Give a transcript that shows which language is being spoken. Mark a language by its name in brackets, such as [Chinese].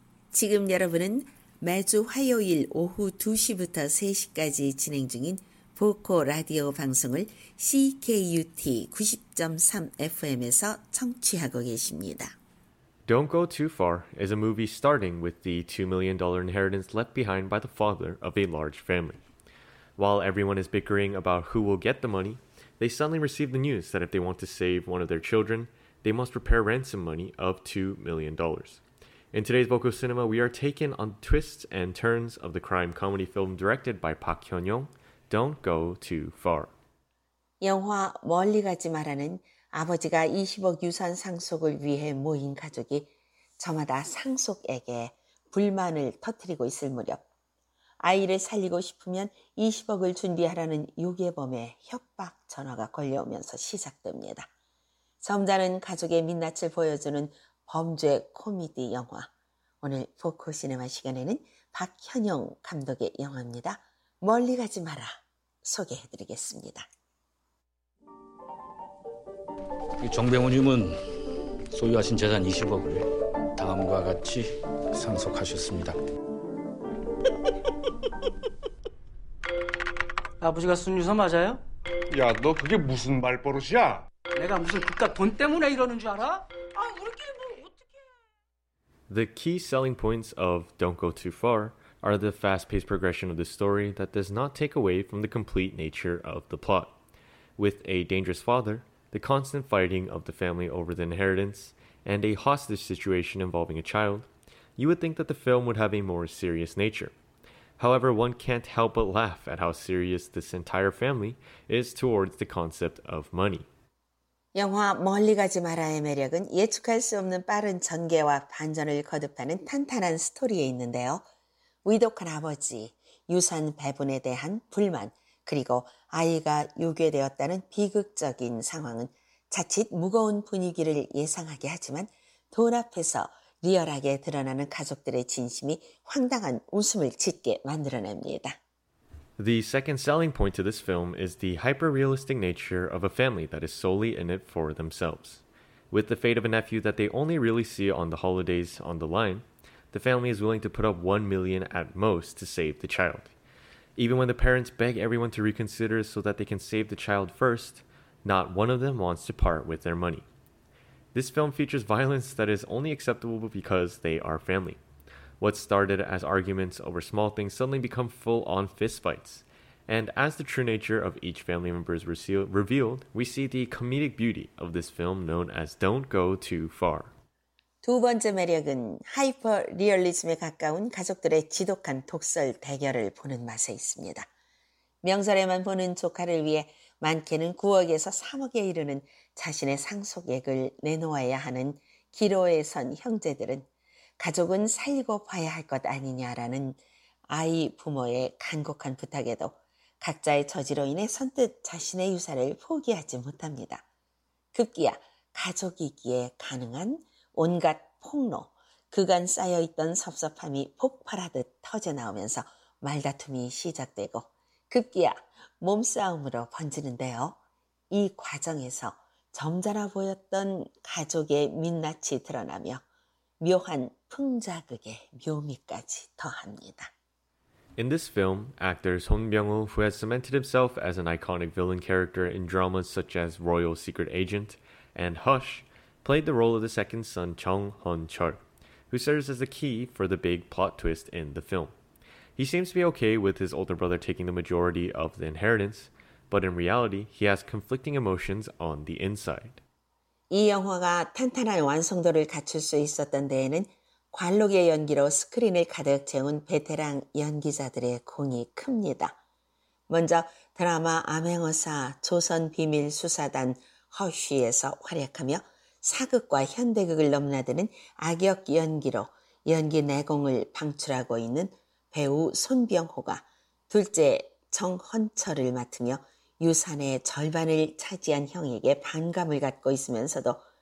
[Korean] 지금 여러분은 매주 화요일 오후 2시부터 3시까지 진행 중인 보코 라디오 방송을 CKUT 90.3 FM에서 청취하고 계십니다. [English] Don't Go Too Far is a movie starting with the $2 million inheritance left behind by the father of a large family. While everyone is bickering about who will get the money, they suddenly receive the news that if they want to save one of their children, they must prepare ransom money of $2 million. In today's Voco Cinema, we are taken on the twists and turns of the crime comedy film directed by Park Hyun-young, Don't Go Too Far. [Korean] 영화 멀리 가지 마라는 아버지가 20억 유산 상속을 위해 모인 가족이 저마다 상속에게 불만을 터뜨리고 있을 무렵 아이를 살리고 싶으면 20억을 준비하라는 유괴범의 협박 전화가 걸려오면서 시작됩니다. 점잖은 가족의 민낯을 보여주는 범죄 코미디 영화. 오늘 포커 시네마 시간에는 박현영 감독의 영화입니다. 멀리 가지 마라 소개해드리겠습니다. 이 정병호님은 소유하신 재산 20억을 다음과 같이 상속하셨습니다. 아버지가 순유사 맞아요? 야, 너 그게 무슨 말버릇이야? 내가 무슨 국가 돈 때문에 이러는 줄 알아? 아, 우리끼리 뭐 어떻게 [English] The key selling points of Don't Go Too Far are the fast-paced progression of the story that does not take away from the complete nature of the plot. With a dangerous father, the constant fighting of the family over the inheritance, and a hostage situation involving a child, you would think that the film would have a more serious nature. However, one can't help but laugh at how serious this entire family is towards the concept of money. [Korean] 영화 멀리 가지 마라의 매력은 예측할 수 없는 빠른 전개와 반전을 거듭하는 탄탄한 스토리에 있는데요. 위독한 아버지, 유산 배분에 대한 불만, 그리고 아이가 유괴되었다는 비극적인 상황은 자칫 무거운 분위기를 예상하게 하지만 돈 앞에서 리얼하게 드러나는 가족들의 진심이 황당한 웃음을 짓게 만들어냅니다. [English] The second selling point to this film is the hyper-realistic nature of a family that is solely in it for themselves. With the fate of a nephew that they only really see on the holidays on the line, the family is willing to put up $1 million at most to save the child. Even when the parents beg everyone to reconsider so that they can save the child first, not one of them wants to part with their money. This film features violence that is only acceptable because they are family. What started as arguments over small things suddenly become full-on fistfights. And as the true nature of each family member is revealed, we see the comedic beauty of this film known as Don't Go Too Far. [Korean] 두 번째 매력은 하이퍼 리얼리즘에 가까운 가족들의 지독한 독설 대결을 보는 맛에 있습니다. 명절에만 보는 조카를 위해 많게는 9억에서 3억에 이르는 자신의 상속액을 내놓아야 하는 기로에 선 형제들은 가족은 살고 봐야 할 것 아니냐라는 아이 부모의 간곡한 부탁에도 각자의 처지로 인해 선뜻 자신의 유산을 포기하지 못합니다. 급기야 가족이기에 가능한 온갖 폭로, 그간 쌓여있던 섭섭함이 폭발하듯 터져나오면서 말다툼이 시작되고 급기야 몸싸움으로 번지는데요. 이 과정에서 점잖아 보였던 가족의 민낯이 드러나며 묘한 풍자극의 묘미까지 더합니다. [English] In this film, actor Song Byung-ho, who has cemented himself as an iconic villain character in dramas such as Royal Secret Agent and Hush, played the role of the second son Chung Hun-chul, who serves as the key for the big plot twist in the film. He seems to be okay with his older brother taking the majority of the inheritance, but in reality, he has conflicting emotions on the inside. [Korean] 이 영화가 탄탄한 완성도를 갖출 수 있었던 데에는 관록의 연기로 스크린을 가득 채운 베테랑 연기자들의 공이 큽니다. 먼저 드라마 암행어사 조선비밀수사단 허쉬에서 활약하며 사극과 현대극을 넘나드는 악역 연기로 연기 내공을 방출하고 있는 배우 손병호가 둘째 정헌철을 맡으며 유산의 절반을 차지한 형에게 반감을 갖고 있으면서도